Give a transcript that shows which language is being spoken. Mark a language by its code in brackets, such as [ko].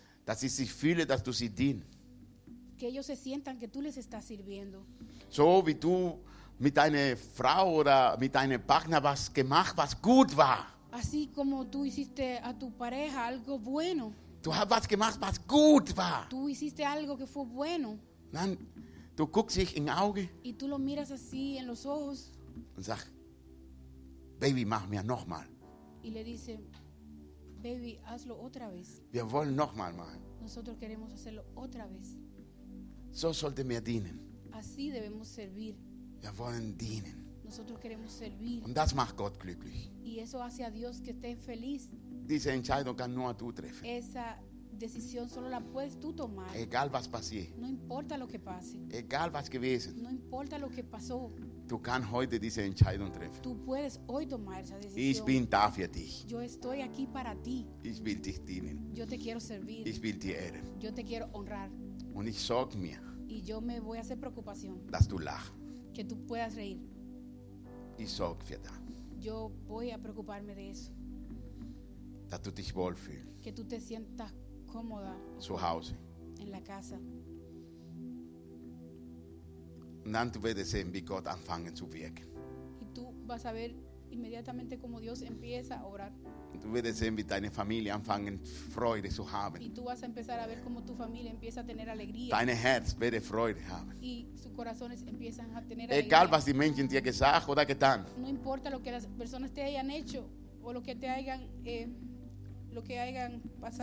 [de] Dass sie sich fühlen, dass du sie dienst. [es] Que ellos se sientan que tú les estás sirviendo. [de] So wie du mit deiner Frau oder mit deinem Partner was gemacht, was gut war. [es] Así como tú hiciste a tu pareja algo bueno. [de] Du hast was gemacht, was gut war. [es] Tú hiciste algo que fue bueno. [de] Dann, du guckst dich in die Augen. [es] Y tú lo miras así en los ojos. [de] Und sag, Baby, mach mir nochmal. [es] Y le dice, Baby, hazlo otra vez. [de] Wir wollen nochmal machen. [es] Nosotros queremos hacerlo otra vez. [de] So sollte mir dienen. [es] Así debemos servir. [de] Wir wollen dienen. [es] Nosotros queremos servir. [de] Und das macht Gott glücklich. [es] Y eso hace a Dios que esté feliz. [de] Diese Entscheidung kann nur du treffen. [es] Esa decisión solo la puedes tú tomar. [de] Egal was passiert. [es] No importa lo que pase. [de] Egal was gewesen. [es] No importa lo que pasó. [de] Du kannst heute diese Entscheidung treffen. [es] Tú puedes hoy tomar esa decisión. [de] Ich bin da für dich. [es] Yo estoy aquí para ti. [de] Ich will dich dienen. [es] Yo te quiero servir. [de] Ich will dir ehren. [es] Yo te quiero honrar. [de] Und ich sorg mir. [es] Y yo me voy a hacer preocupación. [de] Dass du lach. [es] Que tú puedas reír. [de] Ich sorg für dich. [es] Yo voy a preocuparme de eso. [de] Dass du dich wohlfühlst. [es] Que tú te sientas cómoda. [de] Zu Hause. [es] En la casa. [de] Und dann du wirst sehen, wie Gott anfangen zu wirken. [es] Y tú vas a ver inmediatamente cómo Dios empieza a obrar. [de] Und du wirst sehen, wie deine Familie anfangen Freude zu haben. [es] Y tú vas a empezar a ver cómo tu familia empieza a tener alegría. [de] Dein Herz wird Freude haben. [es] Y sus corazones empiezan a tener alegría. [de] Egal was die Menschen dir gesagt oder getan. [es] No importa lo que las personas te hayan hecho o lo que te hayan lo que hayan pasado.